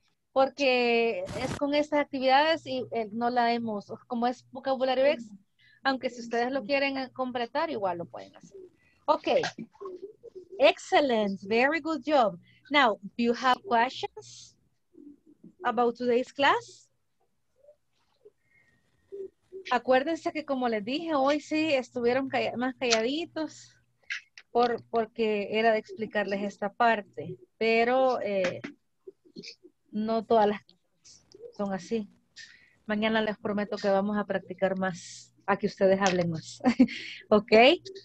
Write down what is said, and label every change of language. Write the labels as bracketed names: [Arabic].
[Spanish] Porque es con estas actividades y no la hemos, como es vocabulario ex, aunque si ustedes lo quieren completar, igual lo pueden hacer. [English] Okay. Excellent. Very good job. Now, do you have questions about today's class? [Spanish] Acuérdense que como les dije, hoy sí estuvieron más calladitos porque era de explicarles esta parte. Pero... no todas las son así. Mañana les prometo que vamos a practicar más, a que ustedes hablen más. Okay.